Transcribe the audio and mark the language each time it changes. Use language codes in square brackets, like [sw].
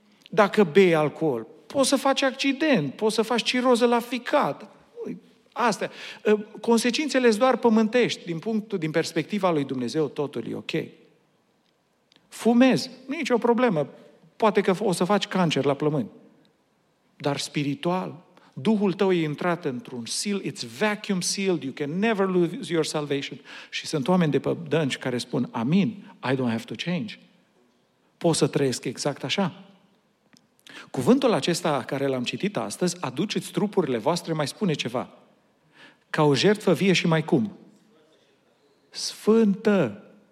[ro] Dacă bei alcool, poți să faci accident, poți să faci ciroză la ficat. Astea. Consecințele-s doar pământești. Din perspectiva lui Dumnezeu, totul e ok. Fumezi, nicio problemă. Poate că o să faci cancer la plămâni. Dar spiritual, Duhul tău e intrat într-un seal, [en] it's vacuum sealed, you can never lose your salvation. [ro] Și sunt oameni de pe dânci care spun, amin, [en] I don't have to change. [ro] Pot să trăiesc exact așa. Cuvântul acesta care l-am citit astăzi, aduceți trupurile voastre, mai spune ceva. Ca o jertfă vie și mai cum? Sfântă!